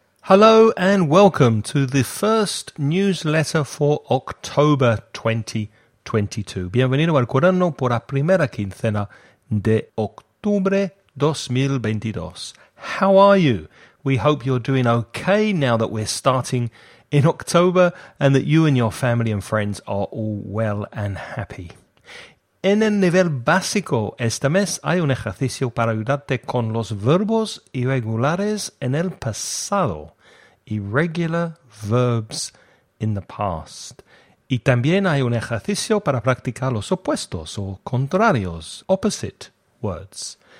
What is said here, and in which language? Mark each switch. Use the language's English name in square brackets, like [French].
[English] Hello and welcome to the first newsletter for October 2022. [Spanish] Bienvenido al cuaderno por la primera quincena de octubre 2022. [English] How are you? We hope you're doing okay now that we're starting in October and that you and your family and friends are all well and happy. [Spanish] En el nivel básico este mes hay un ejercicio para ayudarte con los verbos irregulares en el pasado. [English] Irregular verbs in the past. [Spanish] Y también hay un ejercicio para practicar los opuestos o contrarios, [English] opposite words.